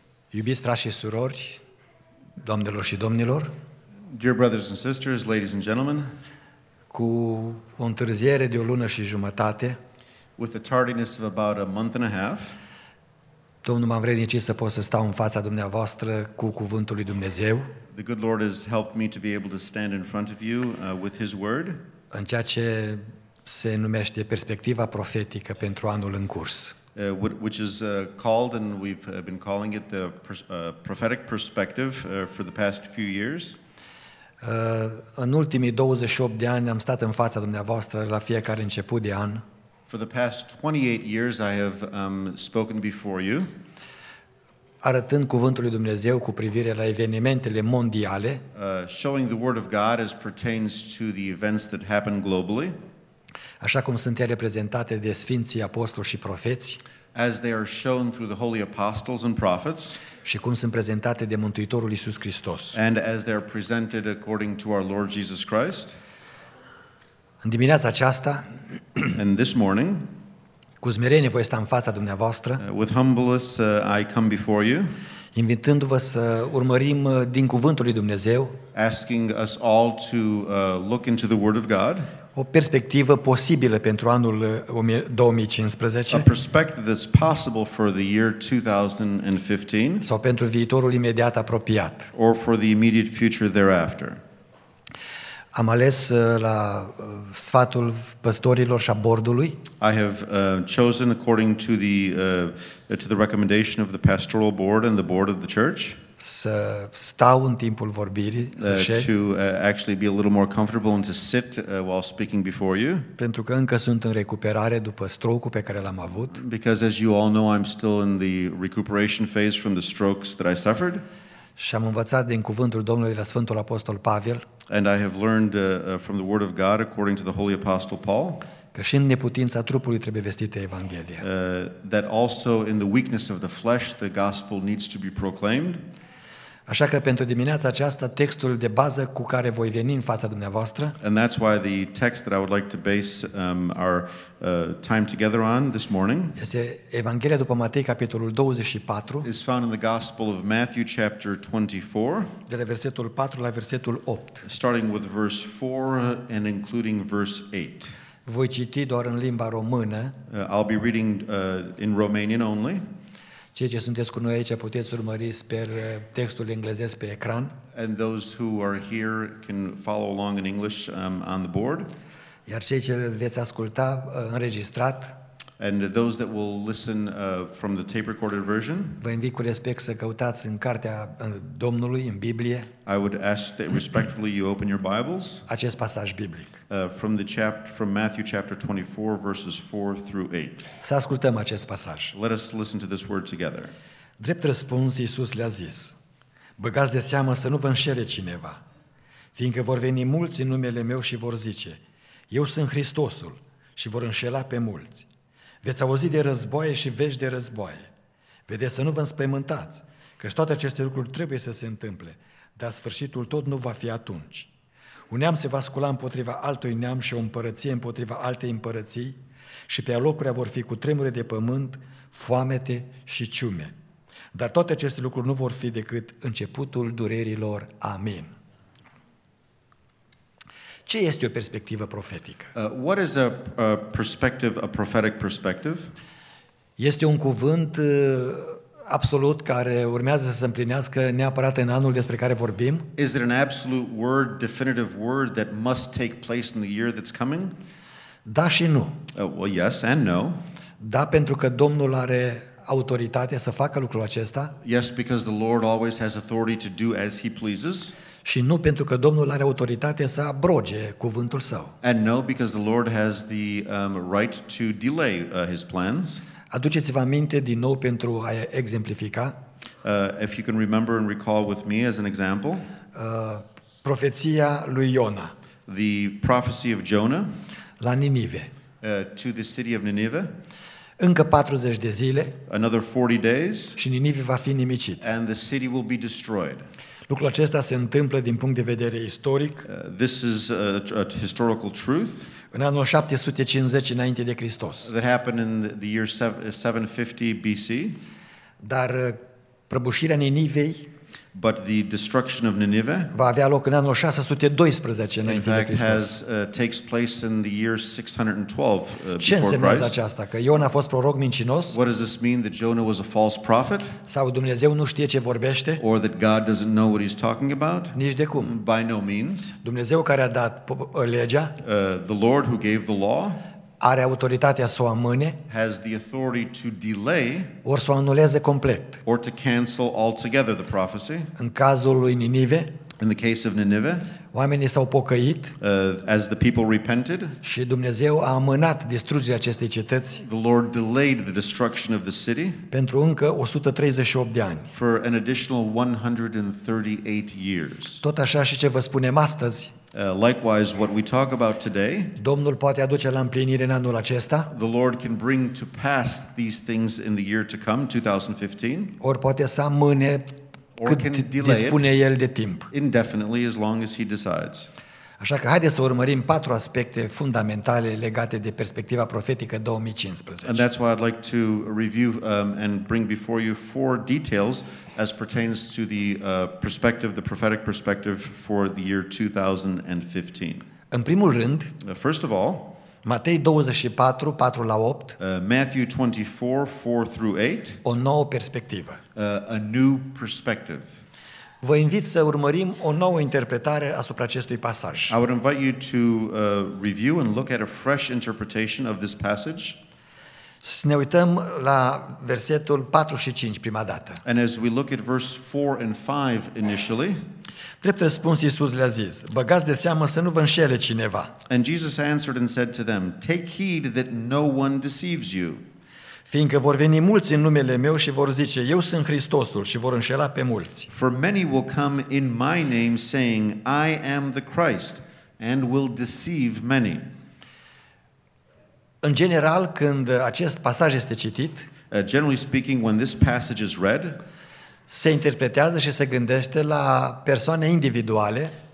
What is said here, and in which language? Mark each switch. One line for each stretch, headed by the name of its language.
Romanian: Iubiți frați și surori, doamnelor și domnilor.
English: Dear brothers and sisters, ladies and gentlemen.
Romanian: Cu o întârziere de o lună și jumătate.
English: With a tardiness of about a month and a half.
Romanian: Domnul m-a învrednicit să pot să stau în fața dumneavoastră cu cuvântul lui Dumnezeu.
English: The good Lord has helped me to be able to stand in front of you with his word.
Romanian: În ceea ce se numește perspectiva profetică pentru anul în curs.
English: Which is called, and we've been calling it, the prophetic perspective for the past few years.
Romanian: În ultimii 28 de ani am stat în fața dumneavoastră la fiecare început de an.
English: For the past 28 years I have spoken before you.
Romanian: Arătând cuvântul lui Dumnezeu cu privire la evenimentele mondiale.
English: Showing the word of God as pertains to the events that happen globally.
Romanian: Așa cum sunt ele prezentate de Sfinții Apostoli și Profeți,
English: as they are shown through the holy apostles and prophets,
Romanian: și cum sunt prezentate de Mântuitorul Iisus Hristos,
English: and as they are presented according to our Lord Jesus Christ.
Romanian: În dimineața aceasta,
English: and this morning,
Romanian: cu smerenie voi sta în fața dumneavoastră,
English: with humbleness I come before you,
Romanian: invitându-vă să urmărim din cuvântul lui Dumnezeu,
English: asking us all to look into the word of God,
Romanian: o perspectivă posibilă pentru anul 2015.
English: A perspective that's possible for the year 2015.
Romanian: Sau pentru viitorul imediat apropiat.
English: Or for the immediate future thereafter.
Romanian: Am ales la sfatul păstorilor și a bordului.
English: I have chosen according to the recommendation of the pastoral board and the board of the church.
Romanian: Să stau în timpul vorbirii,
English: to actually be a little more comfortable and to sit while speaking before you.
Romanian: Pentru că încă sunt în recuperare după stroke-ul pe care l-am avut.
English: Because as you all know, I'm still in the recuperation phase from the strokes that I suffered.
Romanian: Și am învățat din cuvântul Domnului de la Sfântul Apostol Pavel.
English: And I have learned from the word of God according to the Holy Apostle Paul.
Romanian: Că și în neputința trupului trebuie vestită Evanghelia.
English: That also in the weakness of the flesh the gospel needs to be proclaimed.
Romanian: Așa că pentru dimineața aceasta textul de bază cu care voi veni în fața dumneavoastră.
English: And that's why the text that I would like to base our time together on this morning.
Romanian: Este Evanghelia după Matei capitolul 24.
English: Is found in the Gospel of Matthew chapter 24.
Romanian: De la versetul 4 la versetul 8.
English: Starting with verse 4 and including verse 8.
Romanian: Voi citi doar în limba română.
English: I'll be reading in Romanian only.
Romanian: Cei ce sunteți cu noi aici puteți urmări sper textul englezesc pe ecran.
English: And those who are here can follow along in English on the board.
Romanian: Iar cei ce veți asculta înregistrat.
English: And those that will listen from the tape recorded version.
Romanian: Vă invit cu respect să căutați în cartea Domnului în Biblie.
English: I would ask that respectfully you open your Bibles.
Romanian: Acest pasaj biblic.
English: From Matthew chapter 24 verses 4 through 8.
Romanian: Să ascultăm acest pasaj.
English: Let us listen to this word together.
Romanian: Drept răspuns Iisus le-a zis: băgați de seamă să nu vă înșele cineva, fiindcă vor veni mulți în numele meu și vor zice: eu sunt Hristosul, și vor înșela pe mulți. Veți auzi de războaie și vești de războaie. Vedeți să nu vă înspăimântați, căci toate aceste lucruri trebuie să se întâmple, dar sfârșitul tot nu va fi atunci. Un neam se va scula împotriva altui neam și o împărăție împotriva altei împărății și pe alocurile vor fi cutremure de pământ, foamete și ciume. Dar toate aceste lucruri nu vor fi decât începutul durerilor. Amin. Ce este o perspectivă profetică?
English: What is a perspective, a prophetic perspective?
Romanian: Este un cuvânt absolut care urmează să se împlinească neapărat în anul despre care vorbim.
English: Is it an absolute word, definitive word that must take place in the year that's coming?
Romanian: Da și nu.
English: Well, yes and no.
Romanian: Da, pentru că Domnul are autoritate să facă lucrul acesta.
English: Yes, because the Lord always has authority to do as he pleases.
Romanian: Și nu pentru că Domnul are autoritate să abroge cuvântul său.
English: And no, because the Lord has the right to delay his plans.
Romanian: Aduceți-vă aminte din nou pentru a exemplifica.
English: If you can remember and recall with me as an example.
Romanian: Profeția lui Iona.
English: The prophecy of Jonah.
Romanian: La Ninive.
English: To the city of Nineveh.
Romanian: Încă 40 de zile.
English: Another 40 days.
Romanian: Și Ninive va fi nimicit.
English: And the city will be destroyed.
Romanian: Lucrul acesta se întâmplă din punct de vedere istoric.
English: This is a historical truth.
Romanian: În anul 750 înainte de Hristos.
English: That happened in the year 750 BC.
Romanian: Dar Prăbușirea Ninivei.
English: But the destruction of Nineveh.
Romanian: Va avea loc în anul 612 înainte de Hristos.
English: Takes place in the year 612 before
Romanian: Christ. Ce înseamnă aceasta? Că Ion a fost proroc mincinos?
English: What does this mean, that Jonah was a false prophet?
Romanian: Sau Dumnezeu nu știe ce vorbește?
English: Or that God doesn't know what he's talking about?
Romanian: Nici de cum.
English: By no means.
Romanian: Dumnezeu care a dat legea?
English: The Lord who gave the law.
Romanian: Are autoritatea să o amâne?
English: Has the authority to delay?
Romanian: Or să o anuleze complet?
English: Or to cancel altogether the prophecy?
Romanian: În cazul lui Ninive?
English: In the case of Nineveh?
Romanian: Oamenii s-au pocăit?
English: As the people repented?
Romanian: Și Dumnezeu a amânat distrugerea acestei cetăți?
English: The Lord delayed the destruction of the city?
Romanian: Pentru încă 138 de ani.
English: For an additional 138 years.
Romanian: Tot așa și ce vă spunem astăzi?
English: Likewise, what we talk about today,
Romanian: Domnul poate aduce la împlinire în anul acesta.
English: The Lord can bring to pass these things in the year to come, 2015.
Romanian: Or poate să amâne cât dispune el de timp.
English: Indefinitely, as long as he decides.
Romanian: Așa că haideți să urmărim patru aspecte fundamentale legate de perspectiva profetică 2015.
English: And that's why I'd like to review and bring before you four details as pertains to the perspective, the prophetic perspective for the year 2015.
Romanian: În primul rând,
English: first of all,
Romanian: Matei 24, 4 la 8,
English: Matthew 24, 4 through 8,
Romanian: o nouă perspectivă.
English: A new perspective.
Romanian: Vă invit să urmărim o nouă interpretare asupra acestui pasaj.
English: I would invite you to review and look at a fresh interpretation of this passage.
Romanian: Să ne uităm la versetul 4 și 5 prima dată.
English: And as we look at verse 4 and 5 initially.
Romanian: Drept răspuns Iisus le-a zis: băgați de seamă să nu vă înșele cineva.
English: And Jesus answered and said to them, take heed that no one deceives you.
Romanian: Fiindcă vor veni mulți în numele meu și vor zice, eu sunt Hristosul, și vor înșela pe mulți.
English: For many will come in my name saying, I am the Christ, and will deceive many.
Romanian: În general, când acest pasaj este citit,
English: generally speaking, when this passage is read,
Romanian: se interpretează și se gândește la persoane individuale.